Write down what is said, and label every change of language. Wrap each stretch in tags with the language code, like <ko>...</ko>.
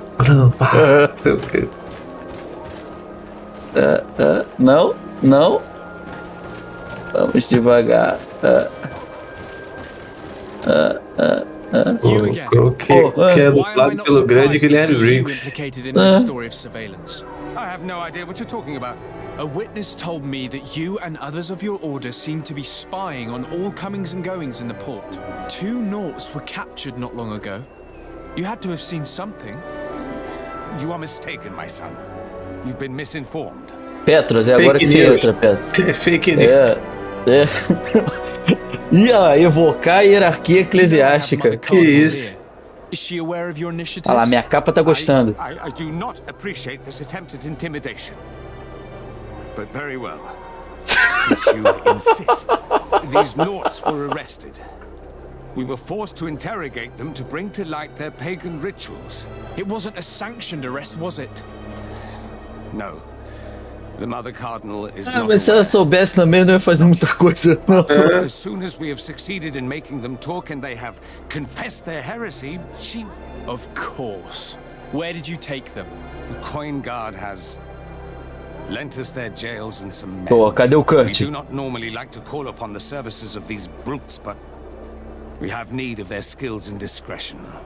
<pt>Não sei o quê. Não, não. Vamos devagar. O Kronk que é dublado pelo grande Guilherme Briggs.</pt> <en>I have no idea what you're talking about. A witness told me that you and others of your order seemed to be spying on all comings and goings in the port. Two Nauts were captured not long ago. You had to have seen something. You are mistaken, my son. You've been misinformed.</en> <pt>Petros, é agora que você entra, Petros. Fake news. É. E a evocar a hierarquia eclesiástica. Que isso?</pt> <en>Is she aware of your initiatives?</en> <pt>Olha lá, minha capa tá gostando.</pt> <en>I do not appreciate this attempt at intimidation. But very well. Since you insist, these Nauts were arrested. We were forced to interrogate them to bring to light their pagan rituals. It wasn't a sanctioned arrest, was it? No. The Mother Cardinal is not.</en> <pt>Mas se ela soubesse também, não ia fazer muita coisa, não.</pt> <en>As soon as we have succeeded in making them talk and they have confessed their heresy, she. Of course. Where did you take them? The Coin Guard has lent us their jails and some men.</en> <pt>Boa, cadê o Kurt?</pt> <en>We do not normally like to call upon the services of these brutes, but we have need of their skills and discretion.</en>